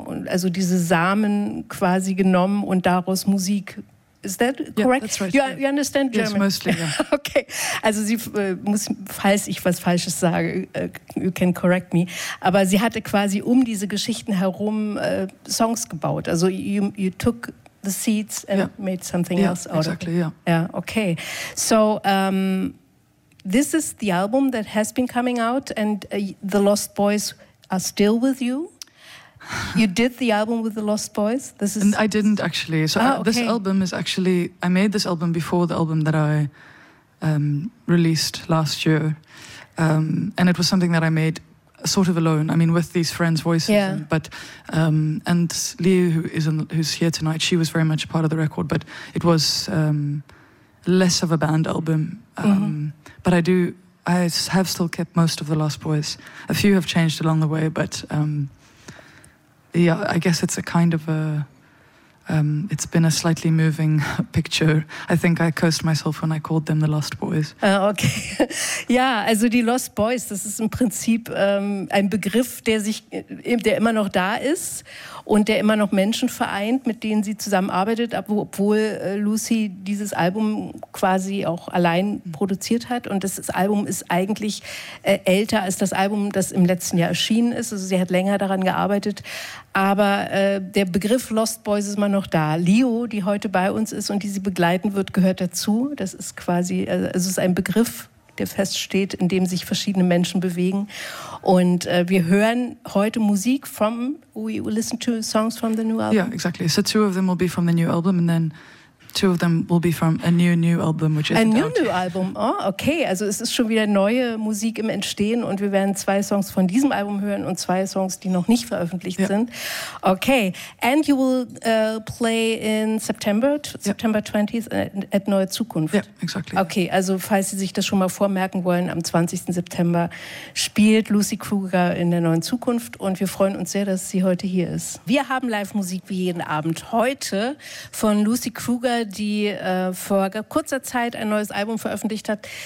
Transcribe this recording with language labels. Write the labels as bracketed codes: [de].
[de] Und also diese Samen quasi genommen und daraus Musik. [en] Is that correct? Yeah, that's right. You understand German? Yes, mostly, yeah. [de] Okay. Also sie muss, falls ich was Falsches sage, [en] you can correct me. [de] Aber sie hatte quasi um diese Geschichten herum Songs gebaut. [en] Also you took the seeds and made something else out exactly, of it. Yeah, exactly, yeah. Yeah, okay. So this is the album that has been coming out and the Lost Boys are still with you? You did the album with the Lost Boys? This is. And I didn't actually. So this album is actually, I made this album before the album that I released last year. And it was something that I made sort of alone. I mean, with these friends' voices. Yeah. And Liu, who's here tonight, she was very much a part of the record. But it was less of a band album. Mm-hmm. But I have still kept most of the Lost Boys. A few have changed along the way, but... Yeah, I guess it's a kind of a, it's been a slightly moving picture. I think I cursed myself when I called them the Lost Boys. Okay. [de] Ja, also die Lost Boys, das ist im Prinzip ein Begriff, der immer noch da ist und der immer noch Menschen vereint, mit denen sie zusammenarbeitet, obwohl Lucy dieses Album quasi auch allein produziert hat. Und das Album ist eigentlich älter als das Album, das im letzten Jahr erschienen ist. Also sie hat länger daran gearbeitet. Aber der Begriff Lost Boys ist immer noch da. Leo, die heute bei uns ist und die sie begleiten wird, gehört dazu. Das ist quasi, es ist ein Begriff, der feststeht, in dem sich verschiedene Menschen bewegen. Und wir hören heute Musik [en] from, we will listen to songs from the new album. Yeah, exactly. So two of them will be from the new album and then two of them will be from a new album, which is a new album. Oh, okay. [de] Also es ist schon wieder neue Musik im Entstehen und wir werden zwei Songs von diesem Album hören und zwei Songs, die noch nicht veröffentlicht sind. [en] Okay. And you will play in September 20th at Neue Zukunft. Yeah, exactly. Okay. [de] Also falls Sie sich das schon mal vormerken wollen, am 20. September spielt Lucy Krüger in der Neuen Zukunft und wir freuen uns sehr, dass sie heute hier ist. Wir haben Live-Musik wie jeden Abend heute von Lucy Krüger, die vor kurzer Zeit ein neues Album veröffentlicht hat.